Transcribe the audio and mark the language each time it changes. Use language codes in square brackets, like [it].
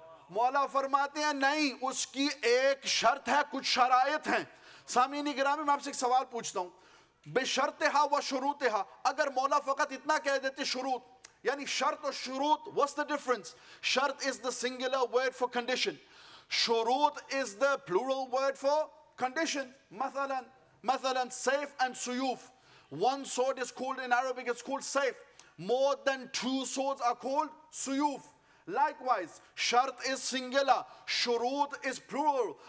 [ur] مولا فرماتے ہیں نہیں, اس کی ایک شرط ہے, کچھ شرائط ہیں. سامعین گرامی, میں آپ سے ایک سوال پوچھتا ہوں. بشرتہا و شروطہا, اگر مولا فقط اتنا کہہ دیتے شروط, یعنی شرط و شروط, [en] what's the difference? شرط is the singular word for condition, شروط is the plural word for condition. [ur] مثلا safe and سیوف. [en] One sword is called in Arabic, it's called saif. More than two swords are called suyuf. Likewise, shart is singular, shurut is plural.